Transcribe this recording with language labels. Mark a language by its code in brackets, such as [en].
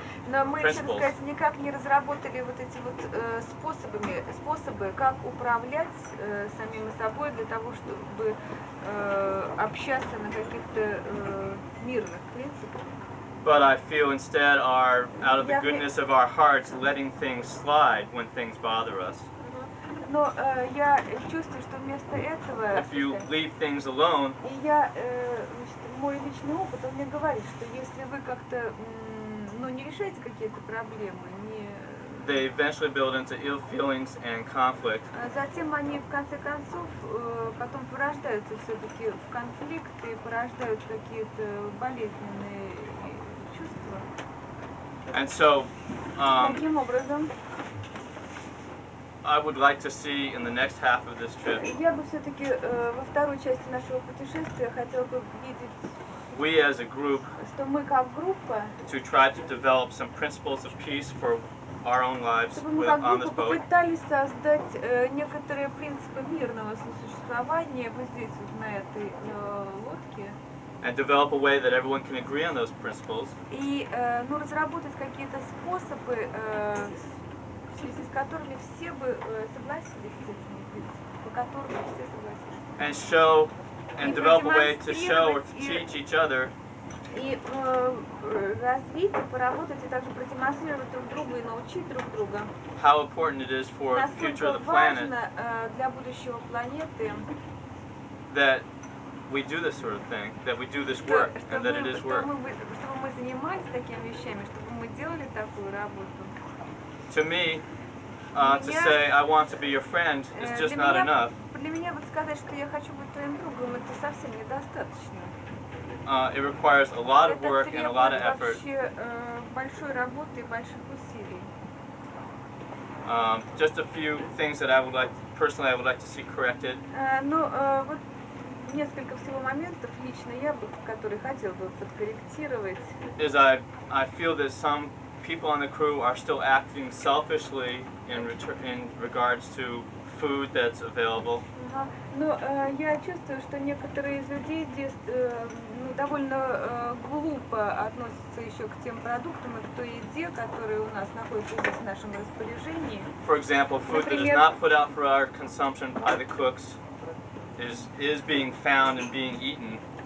[ru] но мы еще, так сказать, никак не разработали вот эти вот способы, как управлять самим собой для того, чтобы общаться на каких-то мирных принципах. [en] But I feel instead are out of the goodness of our hearts letting things slide when things bother us. [ru] Но я чувствую, что вместо этого... [en] If you leave things alone... [ru] Я, значит, мой личный опыт, он мне говорит, что если вы как-то... Но не решаете какие-то проблемы, не... [en] They eventually build into ill feelings and conflict. [ru] Затем они в конце концов потом порождаются все-таки в конфликт и порождают какие-то болезненные чувства. [en] And so, [ru] таким образом, [en] I would like to see in the next half of this trip. [ru] Я бы все-таки во второй части нашего путешествия хотела бы видеть. [en] We as a group, [ru] что мы как группа, [en] to try to develop some principles of peace for our own lives on this boat. [ru] Мы пытались создать некоторые принципы мирного сосуществования вот здесь вот на этой лодке. [en] And develop a way that everyone can agree on those principles. [ru] И ну разработать какие-то способы, в связи с которыми все бы согласились с этими принципами, по которым все согласились. [en] And show. And develop a way to show or to teach each other. [ru] И развить, поработать и также продемонстрировать друг другу и научить друг друга. [en] How important it is for the future of the planet. [ru] Для будущего планеты. [en] That we do this sort of thing, that we do this work, and that it is work. [ru] Чтобы мы занимались такими вещами, чтобы мы делали такую работу. [en] To me. To say I want to be your friend is just not enough. [ru] Для меня вот сказать, что я хочу быть твоим другом, это совсем недостаточно. [en] It requires a lot of work and a lot of effort. [ru] Это требует большой работы и больших усилий. [en] Just a few things that I would like, personally, I would like to see corrected. [ru] Вот несколько всего моментов лично я бы, которые хотел бы подкорректировать. [en] Is I feel that some people on the crew are still acting selfishly in regards to food that's available. [ru] Я чувствую, что некоторые из людей здесь довольно глупо относятся еще к тем продуктам и к той еде, которые у нас находятся здесь в нашем распоряжении. [en] For example, food that is not put out for our consumption by the cooks is being found and being eaten.